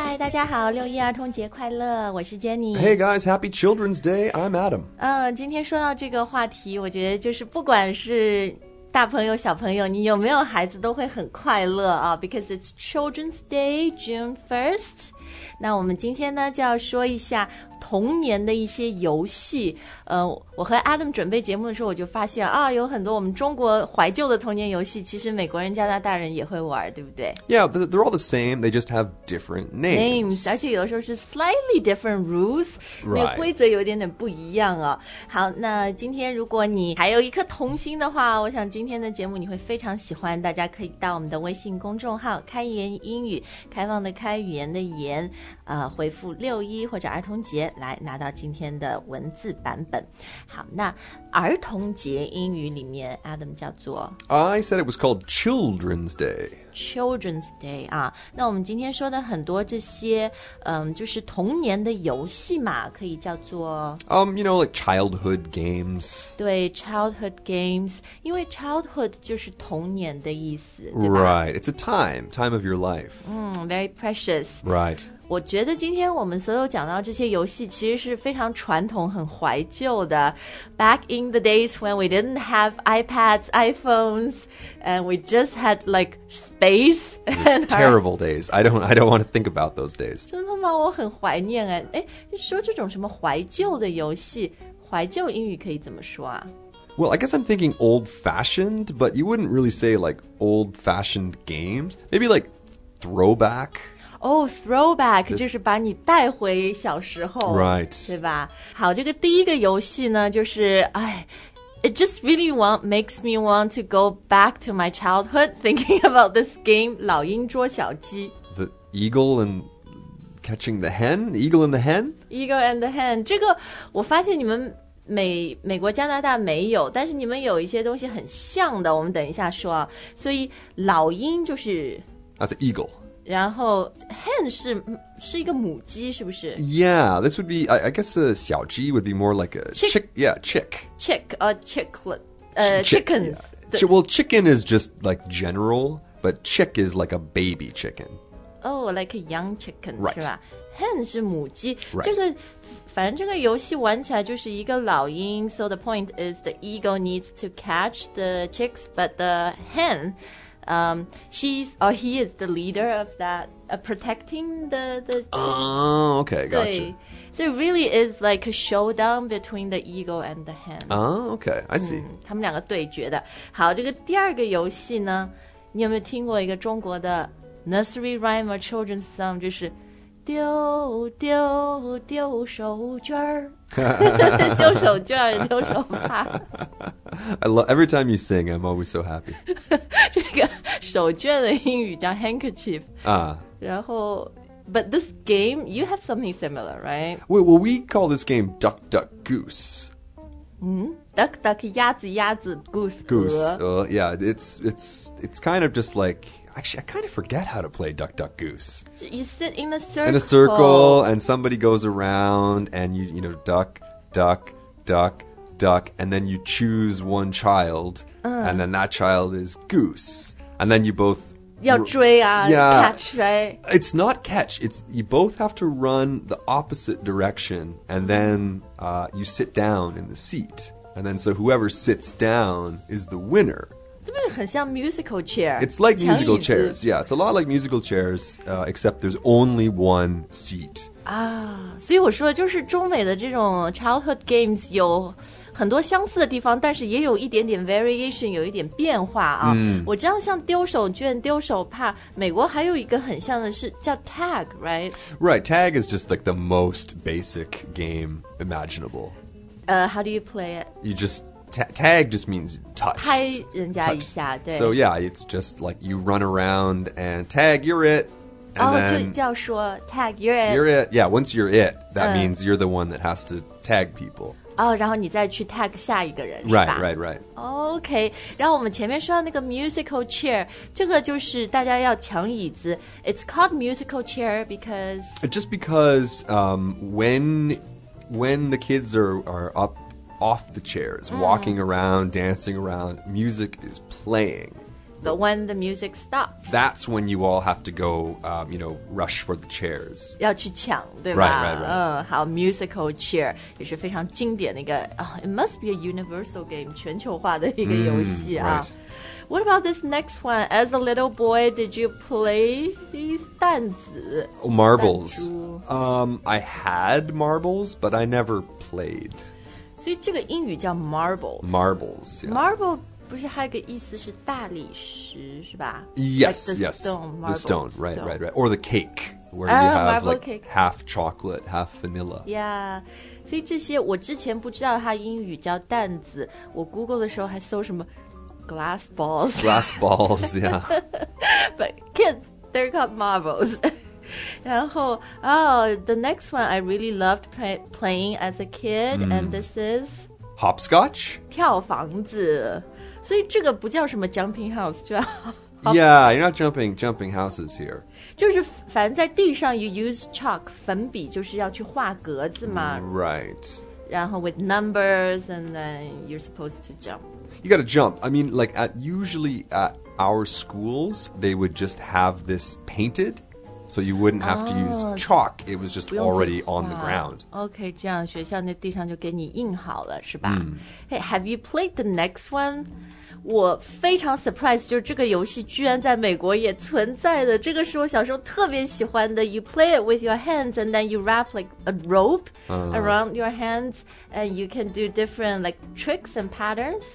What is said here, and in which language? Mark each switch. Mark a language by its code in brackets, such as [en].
[zh] 家好，六一儿童节快乐，我是 Jenny。 [en] Hey guys, happy Children's Day, I'm Adam。 [zh] 今天说到这个话题，我觉得就是不管是大朋友小朋友，你有没有孩子都会很快乐啊。 [en] Because it's Children's Day, June 1st. [zh] 那我们今天呢就要说一下童年的一些游戏。我和 Adam 准备节目的时候，我就发现啊，有很多我们中国怀旧的童年游戏，其实美国人加拿大人也会玩，对不对？ [en] Yeah, they're all the same. They just have different names. [zh] 而且有的时候是 [en] slightly different rules. Right. [zh] 那个规则有点点不一样哦。好，那今天如果你还有一颗童心的话，我想今天的节目你会非常喜欢。大家可以到我们的微信公众号开言英语，开放的开，语言的言，回复六一或者儿童节来拿到今天的文字版本。好，那儿童节英语里面 Adam 叫做 [en] I said it was called Children's Day. [zh] Children's Day 啊，那我们今天说的很多这些，就是童年的游戏嘛，可以叫做 [en] You know, like childhood games. 对 ，childhood games. [zh] 因为 childhood 就是童年的意思，对吧 [en] ？Right. It's a time of your life. Very precious. Right. [zh] 我觉得今天我们所有讲到这些游戏其实是非常传统很怀旧的 [en] Back in the days when we didn't have iPads, iPhones, and we just had like space. Terrible days. I don't want to think about those days. [zh] 真的吗？我很怀念哎。哎，说这种什么怀旧的游戏，怀旧英语可以怎么说啊？ [en] Well, I guess I'm thinking old-fashioned, but you wouldn't really say like old-fashioned games. Maybe like throwback. [zh] throwback, 就是把你带回小时候。 [en] Right. [zh] 对吧？ [en] 好，这个第一个游戏呢，就是，哎It just really makes me want to go back to my childhood thinking about this game, 老鹰捉小鸡。 The eagle and catching the hen? The eagle and the hen? Eagle and the hen. [zh] 这个我发现你们美国加拿大没有，但是你们有一些东西很像的，我们等一下说啊。所以老鹰就是 [en] That's an eagle. [zh] 然后 hen 是一个母鸡，是不是 [en] ？Yeah, this would be. I guess a 小鸡 would be more like a chick. Yeah, chick. Chick or chicklet. Chickens. Yeah. Well, chicken is just like general, but chick is like a baby chicken. Oh, like a young chicken, right? [zh] 是吧 ？Hen 是母鸡。 [en] Right. [zh] 这个反正这个游戏玩起来就是一个老鹰。 [en] So the point is, the eagle needs to catch the chicks, but the hen. He is the leader of that, protecting the... Okay, gotcha. So it really is like a showdown between the eagle and the hen. Okay, I see. [zh] 他们两个对决的。好，这个第二个游戏呢，你有没有听过一个中国的 [en] nursery rhyme or children's song, [zh] 就是丢丢丢手绢丢手绢丢手帕 [en] I love, every time you sing, I'm always so happy. [zh] 这个手绢的英语叫 handkerchief. [en] 然后 But this game, you have something similar, right? Well, we call this game duck, duck, goose. Duck, duck, 鸭子鸭子 goose, 鹅 Goose, yeah, it's kind of just like... Actually, I kind of forget how to play duck, duck, goose. You sit in a circle. In a circle, and somebody goes around, and you know, duck, duck, duck, duck, and then you choose one child, and then that child is goose. And then you both... [zh] 要追啊 [en] yeah, catch, right? It's not catch. It's, you both have to run the opposite direction, and then you sit down in the seat. And then so whoever sits down is the winner. [zh] 这不是很像 musical chair? [en] It's like musical chairs, yeah. It's a lot like musical chairs, except there's only one seat. [zh] 啊，所以我说就是中美的这种 childhood games 有很多相似的地方，但是也有一点点 variation, 有一点变化啊。我知道像丢手绢、丢手帕，美国还有一个很像的是叫 tag, right? [en] Right, tag is just like the most basic game imaginable. How do you play it? You just... Tag just means touch. [zh] 拍人家一下 touch. 对 [en] So yeah, it's just like you run around and tag, you're it. And then, [zh] 就要说 [en] tag, you're it. You're it. Yeah, once you're it, that means you're the one that has to tag people. [zh] 然后你再去 tag 下一个人 [en] Right, right, right. [zh] OK, 然后我们前面说到那个 musical chair, 这个就是大家要抢椅子 [en] It's called musical chair because... Just because when the kids are up,off the chairs, walking around, dancing around, music is playing. But when the music stops, that's when you all have to go, you know, rush for the chairs. [zh] 要去抢，对吧？ [en] Right, right, right. [zh] 好 musical chair 也是非常经典的一个、 [en] It must be a universal game, [zh] 全球化的一个游戏啊。 [en] Right. What about this next one? As a little boy, did you play these 弹子 Oh, marbles. I had marbles, but I never played. 所以这个英语叫 marbles. Marbles, yeah. Marble. [zh] 不是还有个意思是大理石是吧 [en] Yes, like the stone, yes, the stone, stone, right, right, right. Or the cake, where you have like、 cake. half chocolate, half vanilla. [zh] Yeah, 所以这些我之前不知道它英语叫弹子，我 Google 的时候还搜什么 glass balls. [en] Glass balls, yeah. But kids, they're called marbles. 然后 the next one I really loved playing as a kid,、and this is? Hopscotch? [zh] 跳房子。所以这个不叫什么 jumping house, 就 [en] Yeah, you're not jumping houses here. [zh] 就是反正在地上 [en] you use chalk, [zh] 粉笔就是要去画格子嘛。 [en] Right. 然后 with numbers, and then you're supposed to jump. You gotta jump. I mean, like, usually at our schools, they would just have this painted, so you wouldn't have to use chalk. It was just already on the ground. [zh] Okay, 这样学校那地上就给你印好了是吧、 [en] Hey, have you played the next one? [zh] 我非常 surprised, 就是这个游戏居然在美国也存在的。这个是我小时候特别喜欢的。 [en] You play it with your hands, and then you wrap like a rope around your hands, and you can do different like tricks and patterns.